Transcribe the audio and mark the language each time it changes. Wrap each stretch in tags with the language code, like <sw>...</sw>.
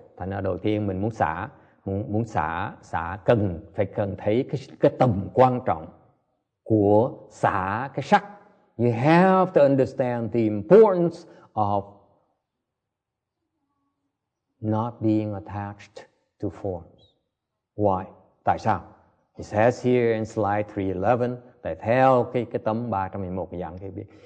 <vi>Thành ra đầu tiên mình muốn xả cần phải cần thấy cái tầm quan trọng của xả cái sắc.</vi> <en>You have to understand the importance of not being attached to forms. Why?</en> <vi>Tại sao?</vi> <en>It says here in slide 311,</en> <vi>tại theo cái tấm 311 dạng cái biết.</vi>